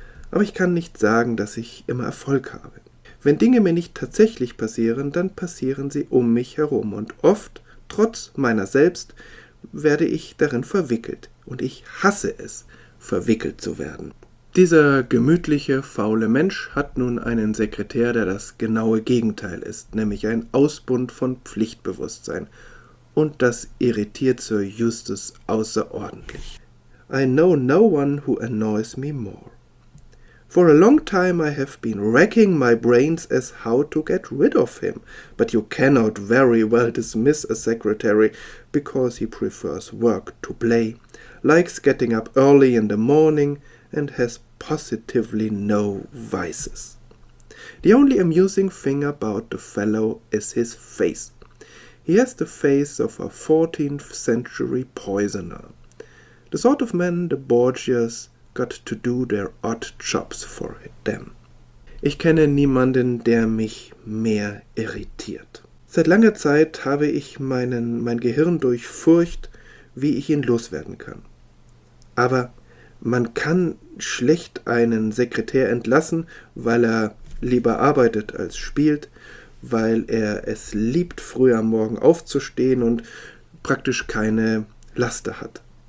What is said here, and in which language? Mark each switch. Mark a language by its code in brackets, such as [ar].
[de] Aber ich kann nicht sagen, dass ich immer Erfolg habe. Wenn Dinge mir nicht tatsächlich passieren, dann passieren sie um mich herum und oft, trotz meiner selbst, werde ich darin verwickelt und ich hasse es, verwickelt zu werden. Dieser gemütliche, faule Mensch hat nun einen Sekretär, der das genaue Gegenteil ist, nämlich ein Ausbund von Pflichtbewusstsein. und das irritiert Sir Justus außerordentlich. [en] I know no one who annoys me more. For a long time I have been racking my brains as how to get rid of him, but you cannot very well dismiss a secretary because he prefers work to play, likes getting up early in the morning, and has positively no vices. The only amusing thing about the fellow is his face. He has the face of a 14th century poisoner, the sort of man the Borgias got to do their odd jobs for them. [de] Ich kenne niemanden, der mich mehr irritiert. Seit langer Zeit habe ich mein Gehirn durchfurcht, wie ich ihn loswerden kann. Aber man kann schlecht einen Sekretär entlassen, weil er lieber arbeitet als spielt, weil er es liebt, früh am Morgen aufzustehen und praktisch keine Laster hat.